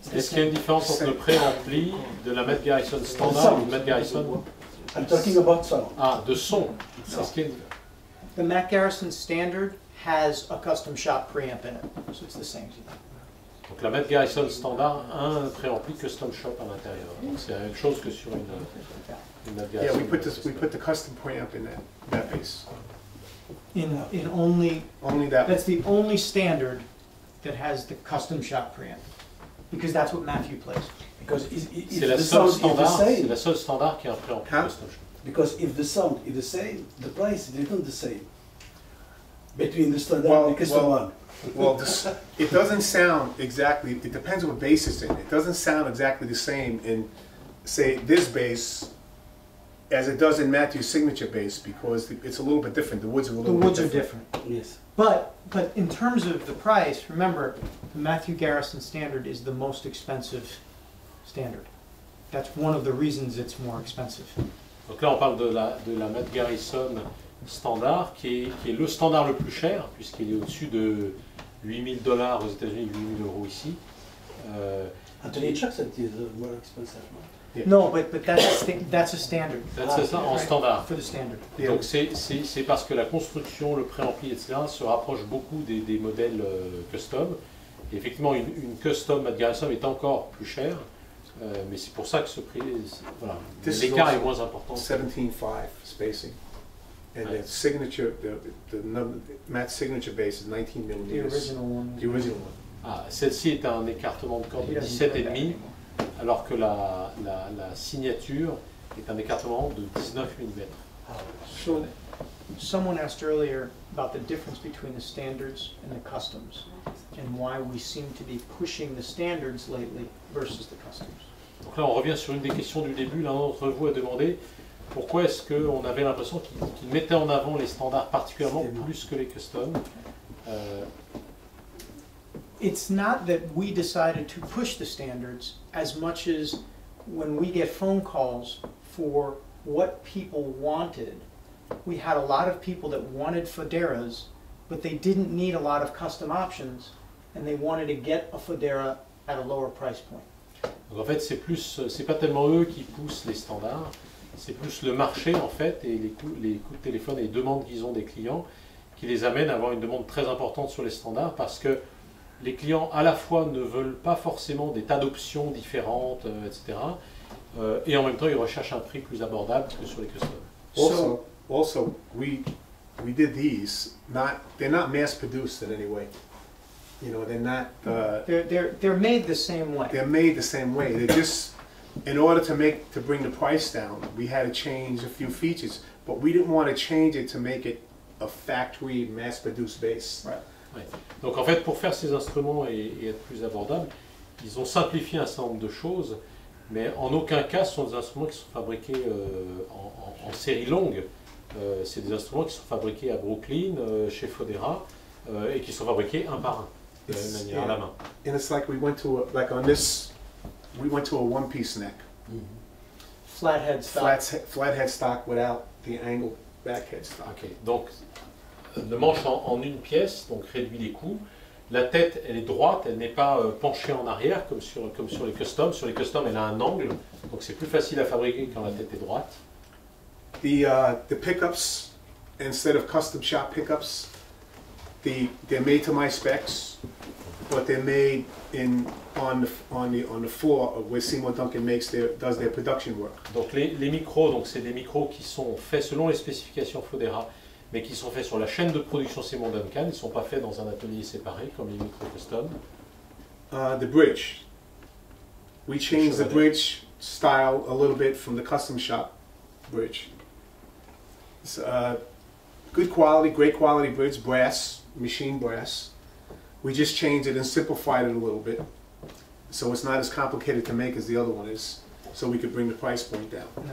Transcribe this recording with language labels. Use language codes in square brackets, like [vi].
[fr] Est-ce qu'il y a une différence entre le préampli de la Matt Garrison standard et Matt Garrison? [en] I'm talking about sound. [fr] Ah, de son. [en] No. [fr] Est-ce qu'il y a une [en] The Matt Garrison standard has a custom shop preamp in it, so it's the same. [fr] Donc la Matt Garrison standard a un préampli custom shop à l'intérieur. Donc c'est la même chose que sur une Matt Garrison. [en] Yeah, we put the custom preamp in that piece. In only that. That's the only standard that has the custom shop preamp, because that's what Matthew plays. Because [fr] c'est la seule standard qui a un préampli custom shop. [en] Because if the sound is the same, the price is not the same. Between the standard and the custom one. Well, it doesn't sound exactly, it depends on what bass it's in. It doesn't sound exactly the same in, say, this bass as it does in Matthew's signature bass, because it's a little bit different. The woods are a little bit different. The woods are different, yes. But in terms of the price, remember, the Matthew Garrison standard is the most expensive standard. That's one of the reasons it's more expensive. [fr] Donc là, on parle de la Matt Garrison standard, qui est le standard le plus cher, puisqu'il est au-dessus de 8 000 $ aux États-Unis, 8 000 € ici. [en] Anthony Jackson is more expensive. Right? Yeah. No, but that's a standard. That's a standard. Standard. For the standard. Yeah. [fr] Donc c'est parce que la construction, le préampli, etc., se rapproche beaucoup des modèles custom. Et effectivement, une custom Matt Garrison est encore plus chère. Mais c'est pour ça que ce prix, voilà, l'écart est moins important. [en] 17.5 spacing. And that signature, the number, Matt's signature bass is 19 millimeters. The original one. The original one. [fr] Ah, celle-ci est un écartement de corde de 17,5, alors que la signature est un écartement de 19 mm. [en] So, someone asked earlier about the difference between the standards and the customs, and why we seem to be pushing the standards lately versus the customs. [fr] Donc là, on revient sur une des questions du début. L'un d'entre vous a demandé pourquoi est-ce qu'on avait l'impression qu'ils mettaient en avant les standards particulièrement plus que les customs. [en] It's not that we decided to push the standards as much as when we get phone calls for what people wanted. We had a lot of people that wanted Foderas, but they didn't need a lot of custom options, and they wanted to get a Fodera at a lower price point. [fr] Donc en fait, c'est pas tellement eux qui poussent les standards, c'est plus le marché en fait, et les coups de téléphone et les demandes qu'ils ont des clients qui les amènent à avoir une demande très importante sur les standards, parce que les clients à la fois ne veulent pas forcément des tas d'options différentes, etc. Et en même temps, ils recherchent un prix plus abordable que sur les custom. [en] Also, we did these. They're not mass produced in any way. You know, they're not. They're made the same way. They're made the same way. They just, in order to bring the price down, we had to change a few features. But we didn't want to change it to make it a factory mass produced bass. Right. [fr] Donc en fait, pour faire ces instruments et être plus abordables, ils ont simplifié un certain nombre de choses, mais en aucun cas ce sont des instruments qui sont fabriqués en série longue. C'est des instruments qui sont fabriqués à Brooklyn, chez Fodera, et qui sont fabriqués un par un, de manière à la main. [en] And it's like we went to a one piece neck. Mm-hmm. Flathead stock. Flathead stock without the angle backhead stock. [fr] Okay, donc le manche en une pièce, donc réduit les coûts. La tête, elle est droite, elle n'est pas penchée en arrière comme sur les customs. Sur les customs, elle a un angle, donc c'est plus facile à fabriquer quand la tête est droite. [en] The pickups, instead of custom shop pickups, they're made to my specs, but they're made on the floor where Seymour Duncan does their production work. [fr] Donc les micros, donc c'est des micros qui sont faits selon les spécifications Fodera, mais qui sont faits sur la chaîne de production Seymour Duncan. Ils ne sont pas faits dans un atelier séparé comme les micro custom. [en] The bridge. We changed the bridge style a little bit from the custom shop bridge. It's a good quality, great quality bridge, brass, machine brass. We just changed it and simplified it a little bit, so it's not as complicated to make as the other one is, so we could bring the price point down.